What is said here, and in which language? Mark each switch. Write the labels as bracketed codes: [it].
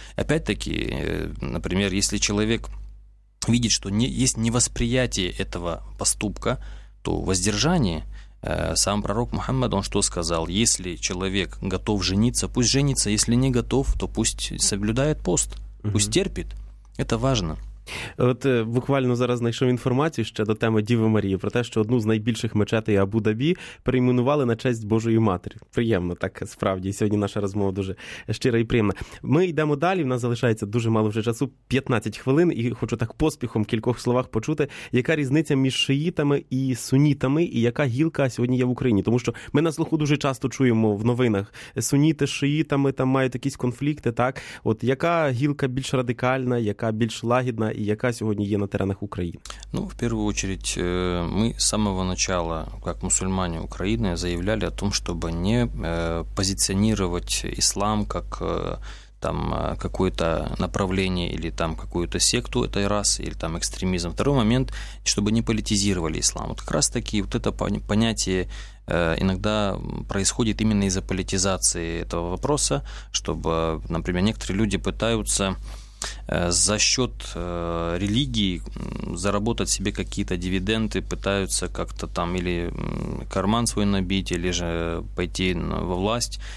[ru] Опять-таки, например, если человек видит, что есть невосприятие этого поступка, то воздержание. Сам пророк Мухаммад, он что сказал? Если человек готов жениться, пусть женится. Если не готов, то пусть соблюдает пост. Пусть терпит. Это важно. [uk] От буквально зараз знайшов інформацію ще до теми Діви Марії про те, що одну з найбільших мечетей Абу-Дабі перейменували на честь Божої Матері. Приємно, так, справді. Сьогодні наша розмова дуже щира і приємна. Ми йдемо далі, в нас залишається дуже мало вже часу, 15 хвилин, і хочу так поспіхом в кількох словах почути, яка різниця між шиїтами і сунітами, і яка гілка сьогодні є в Україні. Тому що ми на слуху дуже часто чуємо в новинах, суніти з шиїтами там мають якісь конфлікти, так? От яка гілка більш радикальна, яка більш лагідна, и яка сьогодні є на теренах України? [ru] Ну, в первую очередь, мы с самого начала, как мусульмане Украины, заявляли о том, чтобы не позиционировать ислам как там какое-то направление или там какую-то секту этой расы или там экстремизм. Второй момент, чтобы не политизировали ислам. Вот как раз-таки вот это понятие иногда происходит именно из-за политизации этого вопроса, чтобы, например, некоторые люди пытаются за счет религии заработать себе какие-то дивиденды, пытаются как-то там или карман свой набить, или же пойти во власть.